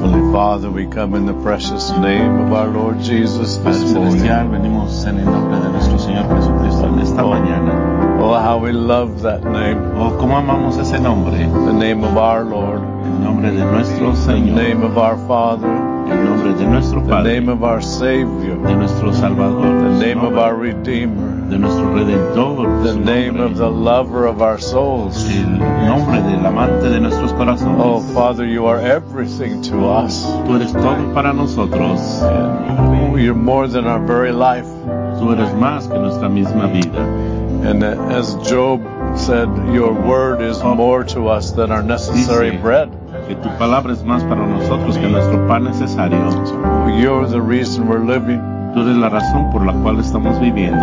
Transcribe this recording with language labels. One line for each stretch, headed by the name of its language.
English: Father, we come in the precious name of our Lord Jesus this morning.
Spanish: Venimos en el nombre de nuestro Señor Jesucristo en esta mañana.
English: Oh, how we love that name.
Spanish: Oh, cómo amamos ese nombre.
English: The name of our Lord.
Spanish: El nombre de nuestro Señor.
English: The name of our Father.
Spanish: El nombre de nuestro Padre.
English: The name of our Savior.
Spanish: De nuestro Salvador.
English: The name of our Redeemer.
Spanish: De nuestro Redentor.
English: The name of the lover of our souls.
Spanish: El nombre del amante de nuestros corazones.
English: Oh, Father, you are everything to us.
Spanish: Tú eres todo para nosotros.
English: You're more than our very life.
Spanish: Tú eres más que nuestra misma vida.
English: And as Job said, your word is more to us than our necessary bread.
Spanish: Que tu palabra es más para nosotros que nuestro pan necesario.
English: You're the reason we're living.
Spanish: Tú eres la razón por la cual estamos viviendo.